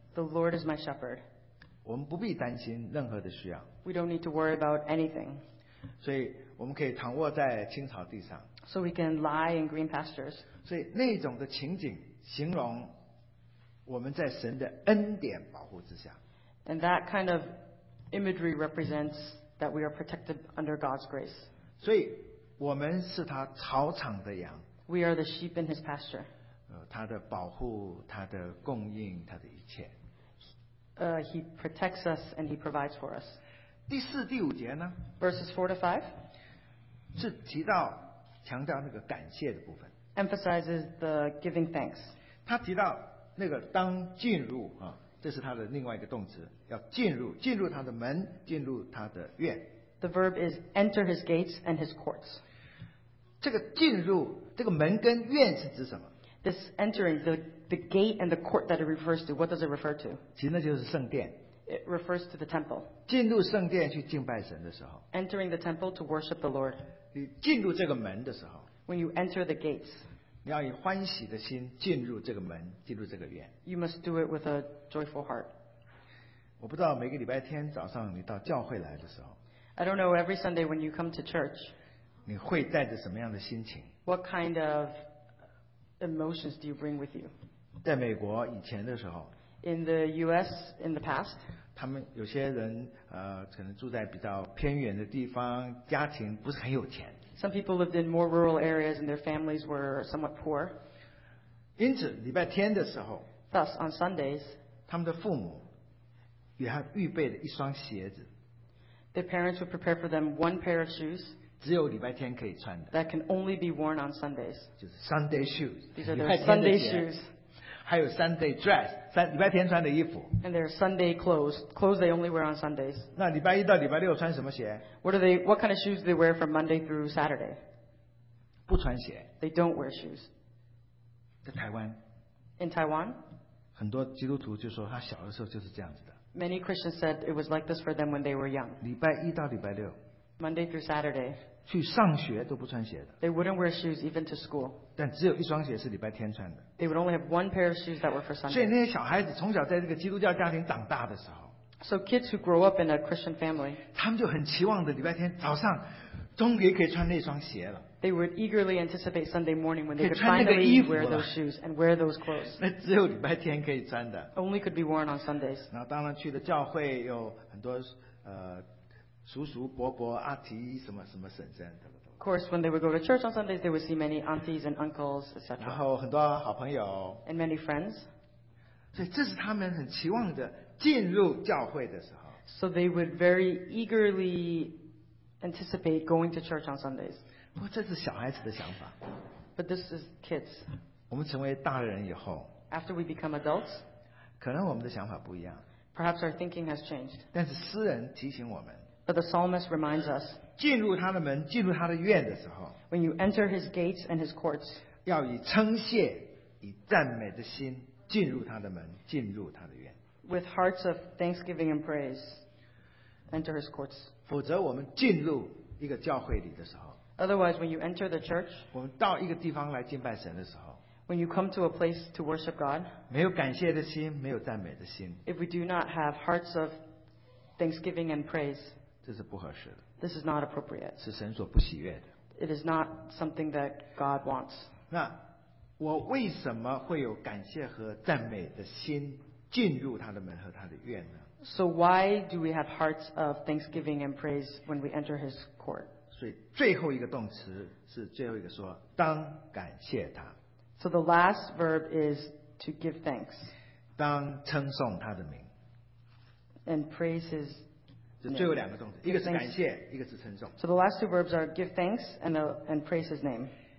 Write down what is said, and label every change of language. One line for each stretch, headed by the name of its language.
English: The Lord is my shepherd.
Chinese: 我们不必担心任何的需要。
English: We don't need to worry about anything.
Chinese: 所以我们可以躺卧在青草地上。
English: So we can lie in green pastures.
Chinese: 所以那种的情景形容。我们在神的恩典保护之下。
English: And that kind of imagery represents that we are protected under God's grace.
Chinese: 所以我们是他草场的羊。
English: We are the sheep in his pasture.
Chinese: 他的保护，他的供应，他的一切。
English: He protects us and he provides for us.
Chinese: 第四、第五节呢？
English: Verses 4-5.
Chinese: 是提到强调那个感谢的部分。
English: Emphasizes the giving thanks.
Chinese: 他提到那个当进入啊，这是它的另外一个动词，要进入，进入他的门，进入他的院。
English: The verb is enter his gates and his courts.
Chinese: 这个进入，这个门跟院是指什么？
English: This entering, the gate and the court that it refers to, what does it refer to?
Chinese: 其实那就是圣殿。
English: It refers to the temple.
Chinese: 进入圣殿去敬拜神的时候。
English: Entering the temple to worship the Lord.
Chinese: 你进入这个门的时候。
English: When you enter the gates.
Chinese: 你要以欢喜的心进入这个门，进入这个院。
English: You must do it with a joyful heart.
Chinese: 我不知道每个礼拜天早上你到教会来的时候。
English: I don't know every Sunday when you come to church.
Chinese: 你会带着什么样的心情？
English: What kind of emotions do you bring with you?
Chinese: 在美国以前的时候。
English: In the U.S. in the past.
Chinese: 他们有些人可能住在比较偏远的地方，家庭不是很有钱。
English: Some people lived in more rural areas and their families were somewhat poor.
Chinese: 因此礼拜天的时候，
English: Thus, on Sundays,
Chinese: 他们的父母也还预备了一双鞋子。
English: Their parents would prepare for them one pair of shoes.
Chinese: 只有礼拜天可以穿的。
English: That can only be worn on Sundays.
Chinese: 就是 Sunday shoes.
English: These are their Sunday shoes.
Chinese: 还有 Sunday dress, 礼拜天穿的衣服。
English: And their Sunday clothes, clothes they only wear on Sundays.
Chinese: 那礼拜一到礼拜六穿什么鞋？
English: What kind of shoes do they wear from Monday through Saturday?
Chinese: 不穿鞋。
English: They don't wear shoes.
Chinese: 在台湾。
English: in Taiwan.
Chinese: 很多基督徒就说他小的时候就是这样子的。
English: Many Christians said it was like this for them when they were young.
Chinese: 礼拜一到礼拜六。
English: Monday through Saturday.
Chinese: 去上学都不穿鞋的。
English: They wouldn't wear shoes even to school.
Chinese: 但只有一双鞋是礼拜天穿的。
English: They would only have one pair of shoes that were for Sunday.
Chinese: 所以那些小孩子从小在这个基督教家庭长大的时候。
English: So kids who grow up in a Christian family.
Chinese: 他们就很期望的礼拜天早上终于可以穿那双鞋了。
English: They would eagerly anticipate Sunday morning when they could finally wear those shoes and wear those clothes.
Chinese: 那只有礼拜天可以穿的。
English: Only could be worn on Sundays.
Chinese: 然后当然去了教会有很多叔叔伯伯阿姨什么什么婶婶。
English: Of course, when they would go to church on Sundays, they would see many aunties and uncles, etc.
Chinese: 然后很多好朋友。
English: And many friends.
Chinese: 所以这是他们很期望的进入教会的时候。
English: So they would very eagerly anticipate going to church on Sundays.
Chinese: 不过这是小孩子的想法。
English: But this is kids.
Chinese: 我们成为大人以后。
English: After we become adults.
Chinese: 可能我们的想法不一样。
English: Perhaps our thinking has changed.
Chinese: 但是诗人提醒我们。
English: But the psalmist reminds us,
Chinese: 进入他的门，进入他的院的时候，
English: when you enter his gates and his courts,
Chinese: 要以称谢、以赞美的心进入他的门，进入他的院。
English: With hearts of thanksgiving and praise, enter his courts.
Chinese: 否则我们进入一个教会里的时候，
English: otherwise when you enter the church,
Chinese: 我们到一个地方来敬拜神的时候，
English: when you come to a place to worship God,
Chinese: 没有感谢的心，没有赞美的心，
English: if we do not have hearts of thanksgiving and praise,
Chinese: 这是不合适的。
English: This is not appropriate.
Chinese: 是神所不喜悦的。
English: It is not something that God wants.
Chinese: 那我为什么会有感谢和赞美的心进入他的门和他的院呢？
English: So why do we have hearts of thanksgiving and praise when we enter His court?
Chinese: 所以最后一个动词是最后一个说，当感谢他。
English: So the last verb is to give thanks.
Chinese: 当称颂他的名。
English: And praise His.
Chinese: 最后两个动词，一个是感谢，一个是称颂。
English: So the last two verbs are give thanks and praise his name.